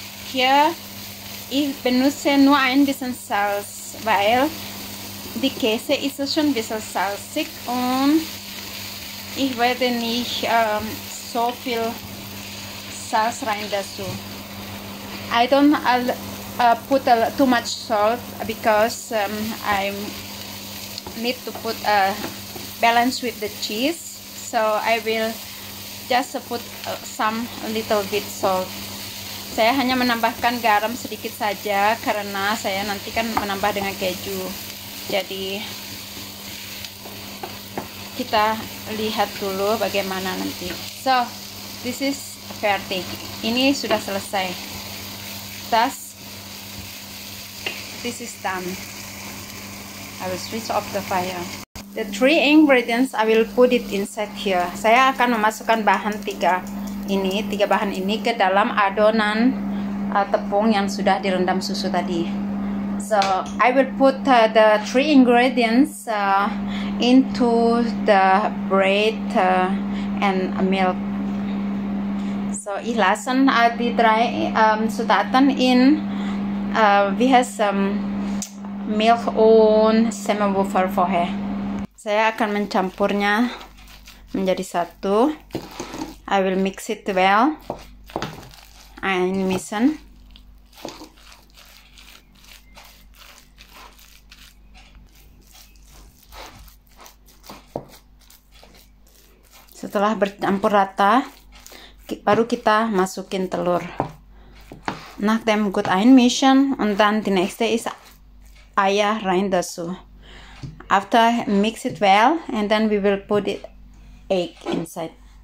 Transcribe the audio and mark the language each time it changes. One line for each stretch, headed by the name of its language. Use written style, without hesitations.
German: Hier ich benutze nur ein bisschen Salz, weil die Käse ist schon ein bisschen salzig und ich werde nicht so viel Salz rein dazu.
English: I don't put too much salt because I need to put a balance with the cheese. So I will just put some little bit salt.
Indonesian: Saya hanya menambahkan garam sedikit saja karena saya nanti kan menambah dengan keju. Jadi kita lihat dulu bagaimana nanti.
English: So, this is ready.
Indonesian: Ini sudah selesai.
English: Thus, this is done. I will switch off the fire. The three ingredients I will put it inside here.
Indonesian: Saya akan memasukkan bahan tiga ini, tiga bahan ini ke dalam adonan tepung yang sudah direndam susu tadi.
English: So I will put the three ingredients into the bread and milk.
German: So ich lassen die drei Zutaten in wie heißt Milch und Semmelwurfel vorher.
Indonesian: Saya akan mencampurnya menjadi satu.
English: I will mix it well. Einmischen.
Indonesian: Setelah bercampur rata, baru kita masukin telur.
German: Nach dem gut einmischen und dann die nächste ist Eier rein dazu.
English: After mix it well and then we will put it egg inside.